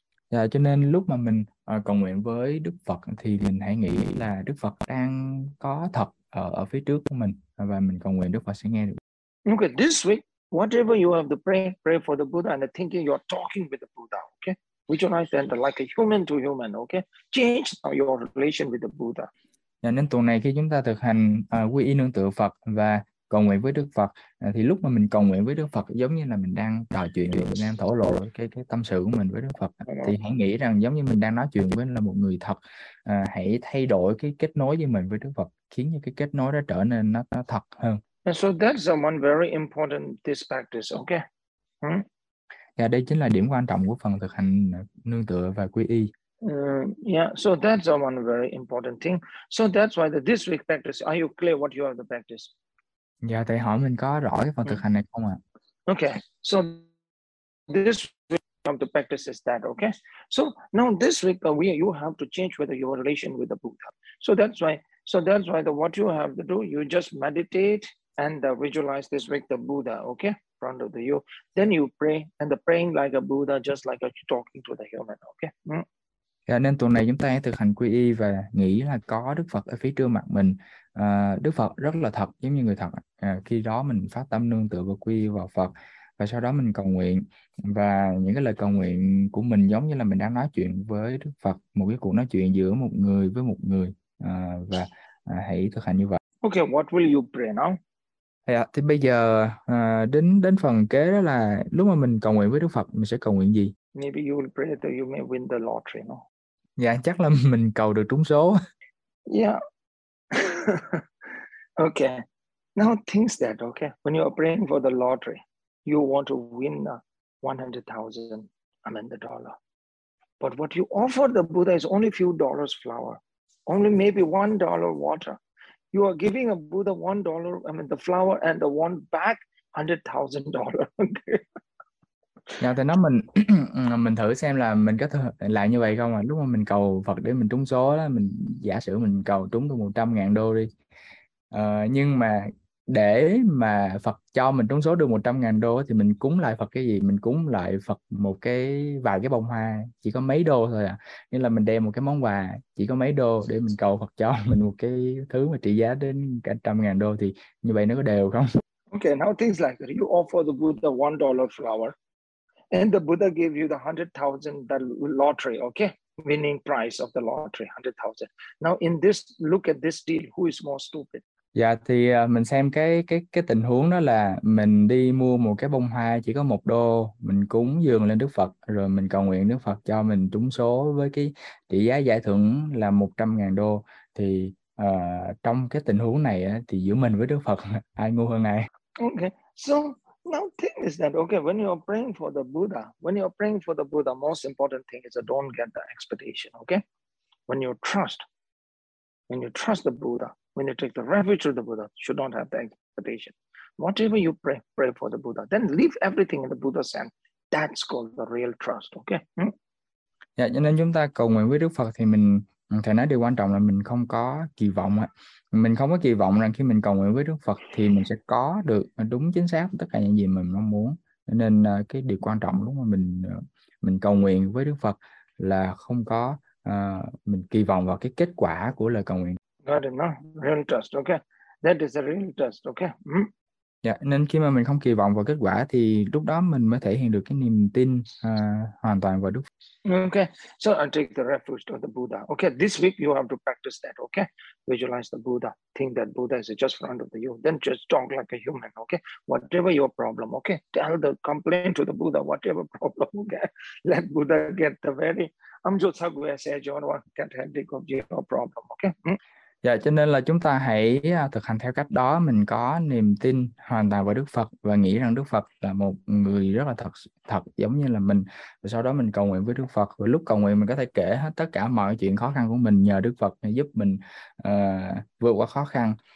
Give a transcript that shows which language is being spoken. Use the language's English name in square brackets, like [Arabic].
[Vietnamese] Yeah, cho nên lúc mà mình cầu nguyện với Đức Phật thì mình hãy nghĩ là Đức Phật đang có thật ở phía trước của mình, và mình cầu nguyện Đức Phật sẽ nghe được. [English] Okay, this week, whatever you have to pray, pray for the Buddha and thinking you're talking with the Buddha, okay? Visualize and like a human to human, okay? Change your relation with the Buddha. [Vietnamese] Yeah, nên tuần này khi chúng ta thực hành quy y nương tựa Phật và cầu nguyện với Đức Phật thì lúc mà mình cầu nguyện với Đức Phật giống như là mình đang trò chuyện, mình đang thổ lộ cái tâm sự của mình với Đức Phật, thì hãy nghĩ rằng giống như mình đang nói chuyện với là một người thật. Hãy thay đổi cái kết nối với mình với Đức Phật, khiến cho cái kết nối đó trở nên nó thật hơn. [English] And so that's the one very important this practice, okay? [Vietnamese] Yeah, đây chính là điểm quan trọng của phần thực hành nương tựa và quy y. [English] Yeah, so that's the one very important thing. So that's why the this week practice, are you clear what you have to practice? [Vietnamese] Dạ, thầy hỏi mình có rõ cái phần thực hành này không ạ? [English] Okay, so this week come to practice is that, okay? So now this week you have to change whether your relation with the Buddha. So that's why So that's why the what you have to do, you just meditate and visualize this with the Buddha, okay, in front of you. Then you pray, and the praying like a Buddha, just like you're talking to the human, okay? [Vietnamese] Nên tuần này chúng ta thực hành quy y và nghĩ là có Đức Phật ở phía trước mặt mình. Đức Phật rất là thật, giống như người thật. Khi đó mình phát tâm nương tựa và quy y vào Phật. Và sau đó mình cầu nguyện. Và những cái lời cầu nguyện của mình giống như là mình đang nói chuyện với Đức Phật. Một cái cuộc nói chuyện giữa một người với một người. Hãy thực hành như vậy. [English] Okay, what will you pray now? [Vietnamese] Thì bây giờ đến phần kế đó là lúc mà mình cầu nguyện với Đức Phật, mình sẽ cầu nguyện gì? [English] Maybe you will pray that you may win the lottery, no? [Vietnamese] Dạ, chắc là mình cầu được trúng số. [English] Yeah. Okay. Now things that, okay, when you are praying for the lottery, you want to win 100,000 Amanda dollar. But what you offer the Buddha is only a few dollars flour, only maybe $1 water. You are giving a Buddha $1, I mean the flour and the one back $100,000. [Vietnamese] Dạ, thì nó mình thử xem là mình có lại như vậy không à. Lúc mà mình cầu Phật để mình trúng số đó, mình giả sử mình cầu trúng được 100.000 đô đi. Nhưng mà để mà Phật cho mình trúng số được 100.000 đô thì mình cúng lại Phật cái gì? Mình cúng lại Phật một cái vài cái bông hoa chỉ có mấy đô thôi à. Như là mình đem một cái món quà chỉ có mấy đô để mình cầu Phật cho mình một cái thứ mà trị giá đến cả 100.000 đô, thì như vậy nó có đều không? [English] Okay, now things like you offer the Buddha $1 flower. And the Buddha gave you the 100,000 lottery, okay? Winning price of the lottery, 100,000. Now in this, look at this deal. Who is more stupid? [Vietnamese] Dạ, thì mình xem cái tình huống đó là mình đi mua một cái bông hoa chỉ có một đô, mình cúng dường lên Đức Phật, rồi mình cầu nguyện Đức Phật cho mình trúng số với cái trị giá giải thưởng là 100.000 đô. Thì trong cái tình huống này thì giữa mình với Đức Phật, ai ngu hơn ai? [English] Okay, so... Now, thing is that, okay, when you're praying for the Buddha, when you're praying for the Buddha, most important thing is that don't get the expectation, okay? When you trust the Buddha, when you take the refuge of the Buddha, you should not have the expectation. Whatever you pray, pray for the Buddha. Then leave everything in the Buddha's hand. That's called the real trust, okay? [Vietnamese] Dạ, cho nên chúng ta cầu nguyện với Đức Phật thì mình thầy nói điều quan trọng là mình không có kỳ vọng á. Mình không có kỳ vọng rằng khi mình cầu nguyện với Đức Phật thì mình sẽ có được đúng chính xác tất cả những gì mình mong muốn. Nên cái điều quan trọng lúc mà mình cầu nguyện với Đức Phật là không có mình kỳ vọng vào cái kết quả của lời cầu nguyện. [English] Got it, no? Real trust, okay? That is a real trust, okay? [Vietnamese] Dạ, nên khi mà mình không kỳ vọng vào kết quả thì lúc đó mình mới thể hiện được cái niềm tin hoàn toàn vào Đức Phật. [English] Okay, so I take the refuge of the Buddha. Okay, this week you have to practice that, okay? Visualize the Buddha. Think that Buddha is just front of you. Then just talk like a human, okay? Whatever your problem, okay? Tell the complaint to the Buddha, whatever problem, okay? Let Buddha get the very... Amjo Sagwe say, John, what can take of your problem, okay? [Vietnamese] Dạ, cho nên là chúng ta hãy thực hành theo cách đó, mình có niềm tin hoàn toàn vào Đức Phật và nghĩ rằng Đức Phật là một người rất là thật giống như là mình. Và sau đó mình cầu nguyện với Đức Phật, và lúc cầu nguyện mình có thể kể hết tất cả mọi chuyện khó khăn của mình nhờ Đức Phật giúp mình vượt qua khó khăn.